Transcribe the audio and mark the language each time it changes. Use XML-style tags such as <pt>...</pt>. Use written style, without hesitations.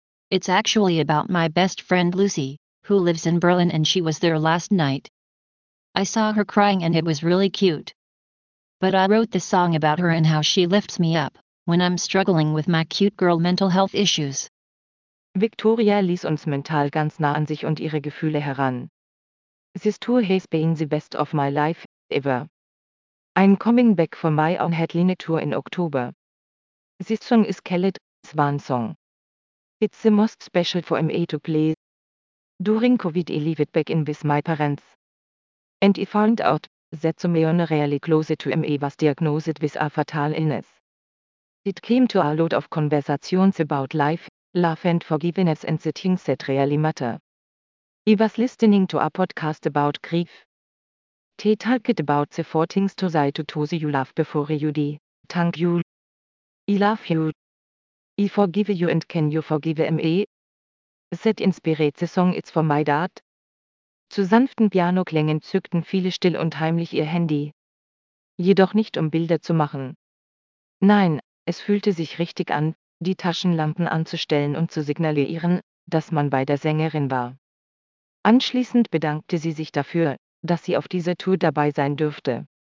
<en>It's actually about my best friend Lucy, who lives in Berlin and she was there last night, I saw her crying and it was really cute. But I wrote this song about her and how she lifts me up when I'm struggling with my cute girl mental health issues.</en> <de>Victoria ließ uns mental ganz nah an sich und ihre Gefühle heran.</de> <en>This tour has been the best of my life ever. I'm coming back for my own headline tour in October. This song is called Swan Song. It's the most special for me to play. During COVID I lived back in with my parents. And I found out that some were really close to me was diagnosed with a fatal illness. It came to a lot of conversations about life, love and forgiveness and the things that really matter. I was listening to a podcast about grief. They talked about the four things to say to those you love before you die. Thank you. I love you. I forgive you and can you forgive me? That inspired the song It's for My Dad.</en> <de>Zu sanften Pianoklängen zückten viele still und heimlich ihr Handy. Jedoch nicht um Bilder zu machen. Nein, es fühlte sich richtig an, die Taschenlampen anzustellen und zu signalieren, dass man bei der Sängerin war. Anschließend bedankte sie sich dafür, dass sie auf dieser Tour dabei sein dürfte.</de>